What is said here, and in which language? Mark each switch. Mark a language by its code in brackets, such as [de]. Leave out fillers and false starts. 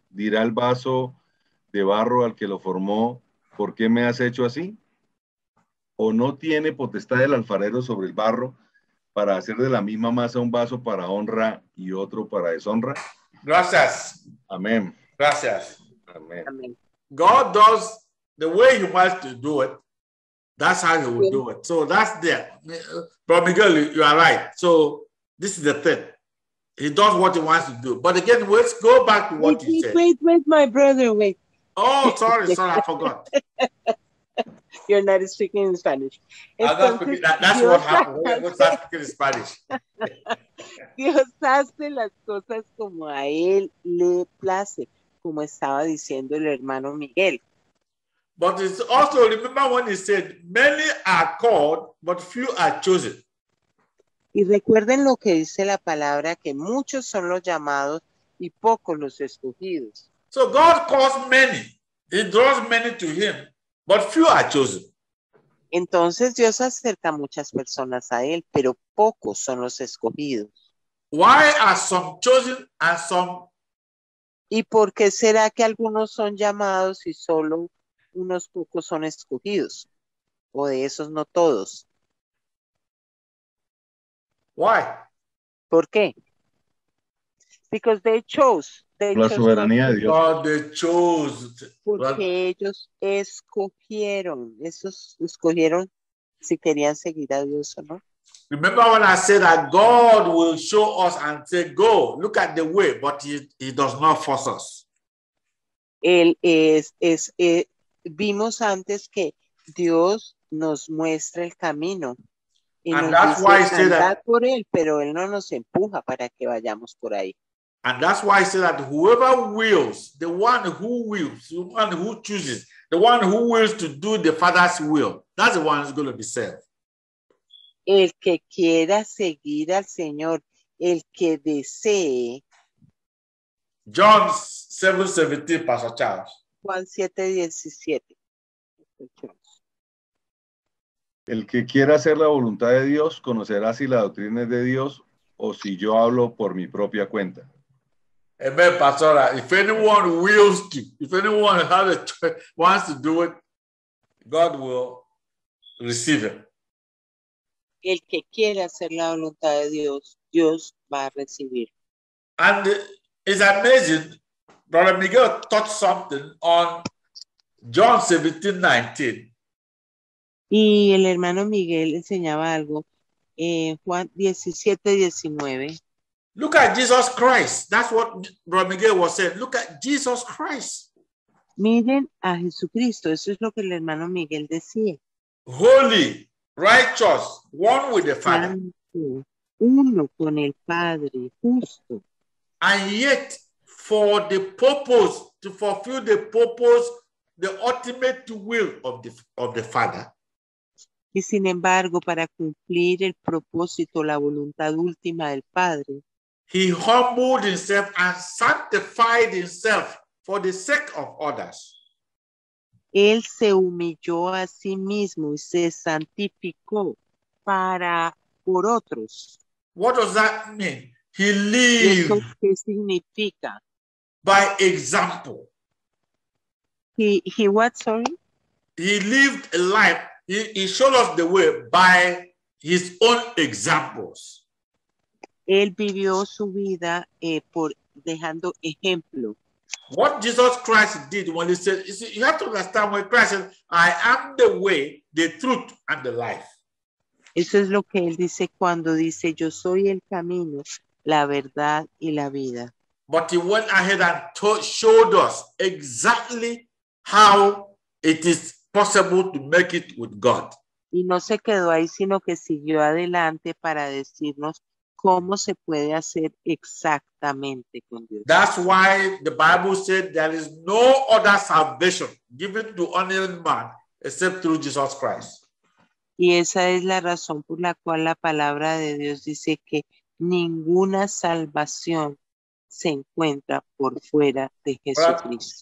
[es] Dirá el vaso de barro al que lo formó, ¿por qué me has hecho así? ¿O no tiene potestad el alfarero sobre el barro para hacer de la misma masa un vaso para honra y otro para deshonra? Gracias. Amén. Gracias. Amén. [en] God does the way he wants to do it. That's how he will do it. So that's there. But Miguel, you are right. So this is the thing. He does what he wants to do. But again, let's go back to what you said. Wait, my brother, wait. Oh, sorry, I forgot. You're not speaking in Spanish. That's what happened. We're not speaking in Spanish. [es] Dios hace las cosas como a él le place. Como estaba diciendo el hermano Miguel. [en] But it's also, remember when he said, many are called, but few are chosen. [es] Y recuerden lo que dice la palabra, que muchos son los llamados y pocos los escogidos. [en] So God calls many. He draws many to him, but few are chosen. [es] Entonces Dios acerca muchas personas a él, pero pocos son los escogidos. [en] Why are some chosen and some... [es] ¿Y por qué será que algunos son llamados y solo unos pocos son escogidos? ¿O de esos no todos? [en] Why? [es] ¿Por qué? [en] Because they chose. They [es] la soberanía [en] chose. [es] De Dios. [en] God, they chose. [es] Porque well, ellos escogieron. Esos escogieron si querían seguir a Dios o no. [en] Remember when I said that God will show us and say, go, look at the way, but he does not force us. [es] Él es, vimos antes que Dios nos muestra el camino. Y [en] and that's [es] dice, [en] why I said that. [es] Por él, pero él no nos empuja para que vayamos por ahí. [en] And that's why I said that whoever wills, the one who chooses, the one who wills to do the Father's will, that's the one who's going to be saved. [es] El que quiera seguir al Señor, el que desee. [en] John 7:17, Pastor Charles. [es] Juan 7:17. El que quiera hacer la voluntad de Dios, conocerá si la doctrina es de Dios o si yo hablo por mi propia cuenta. [en] Amen, Pastor. If anyone wills to, if anyone has a choice, wants to do it, God will receive it. [es] El que quiera hacer la voluntad de Dios, Dios va a recibir. [en] And it's amazing, Brother Miguel touched something on John 17:19. [es] Y el hermano Miguel enseñaba algo en Juan 17:19. [en] Look at Jesus Christ. That's what Brother Miguel was saying. Look at Jesus Christ. [es] Miren a Jesucristo. Eso es lo que el hermano Miguel decía. [en] Holy, righteous, one with the Father. Santo, [es] uno con el Padre, justo. [en] And yet, for the purpose, to fulfill the purpose, the ultimate will of the Father. [es] Y sin embargo, para cumplir el propósito, la voluntad última del Padre, [en] he humbled himself and sanctified himself for the sake of others. [es] Él se humilló a sí mismo y se santificó para por otros. [en] What does that mean? He lived. [es] ¿Qué significa? [en] By example. He what, sorry? He lived a life. He showed us the way by his own examples. [es] Él vivió su vida por dejando ejemplo. [en] What Jesus Christ did when he said, you see, you have to understand when Christ said, I am the way, the truth, and the life. [es] Eso es lo que él dice cuando dice, yo soy el camino, la verdad y la vida. [en] But he went ahead and showed us exactly how it is possible to make it with God. [es] Y no se quedó ahí, sino que siguió adelante para decirnos cómo se puede hacer exactamente con Dios. [en] That's why the Bible said there is no other salvation given to any man except through Jesus Christ. [es] Y esa es la razón por la cual la palabra de Dios dice que ninguna salvación se encuentra por fuera de Jesucristo.